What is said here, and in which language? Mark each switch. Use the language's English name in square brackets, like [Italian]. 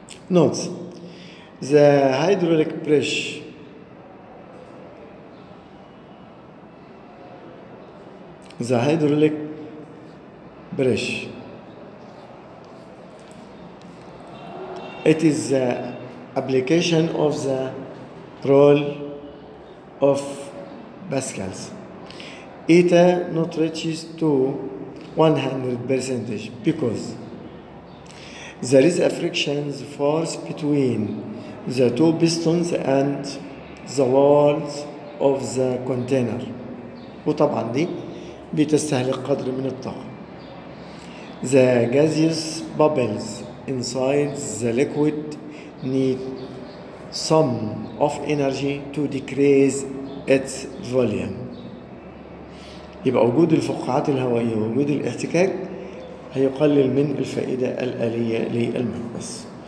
[English] Note, the hydraulic pressure, the hydraulic pressure, it is the application of the rule of Pascal's. ETA not reaches to 100% because there is a friction force between the two pistons and the walls of the container. [Arabic] وطبعا دي بتستهلك قدر من الطاقة. [English] The gaseous bubbles inside the liquid need some of energy to decrease its volume. [Arabic] يبقى وجود الفقاعات الهوائية ووجود الاحتكاك هيقلل من الفائدة الآلية للمكبس.